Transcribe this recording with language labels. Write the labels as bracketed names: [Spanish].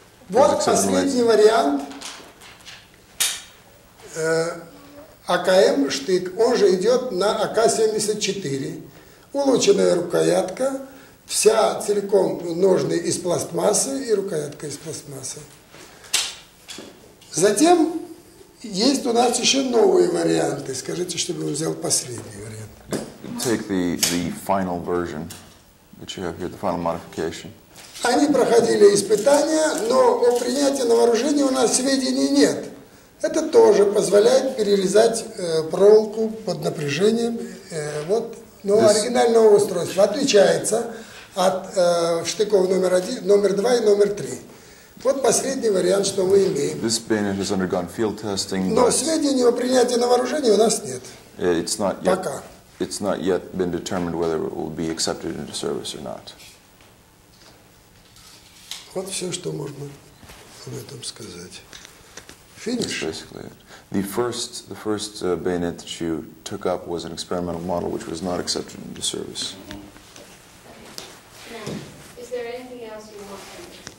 [Russian] Вот последний вариант АКМ штык, он же идет на АК-74, улучшенная рукоятка, вся целиком ножны из пластмассы и рукоятка из пластмассы. Затем есть у нас еще новые варианты, скажите, чтобы он взял последний вариант. [English] Take the final version that you have here, the final modification. [Russian] Они проходили испытания, но о принятии на вооружение у нас сведений нет. Это тоже позволяет перерезать проволоку под напряжением. Вот. Но оригинального устройства отличается от штыков номер 1, номер 2 и номер 3. Вот последний вариант, что мы имеем. [English] This bayonet has undergone field testing, [Russian] но сведений о принятии на вооружение у нас нет. [English] It's not yet, [Russian] пока. [English] It's not yet been determined whether it will be accepted into service or not. [Russian] Вот все, что можно об этом сказать. Финиш. [English] The first bayonet that you took up was an experimental model, which was not accepted into service. Now, is there anything else you want from me?